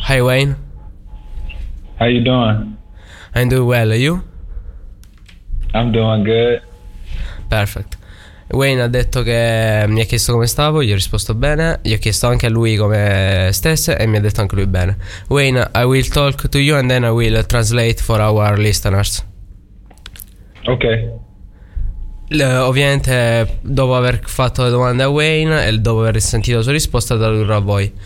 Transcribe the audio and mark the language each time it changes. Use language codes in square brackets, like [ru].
[en] Hi Wayne. How you doing? I'm doing well, you? I'm doing good. Perfect. [it] Wayne ha detto che mi ha chiesto come stavo, gli ho risposto bene, gli ho chiesto anche a lui come stesse e mi ha detto anche lui bene. [en] Wayne, I will talk to you and then I will translate for our listeners. Ok. [it] Ovviamente dopo aver fatto le domande a Wayne e dopo aver sentito la sua risposta tradurrò a voi.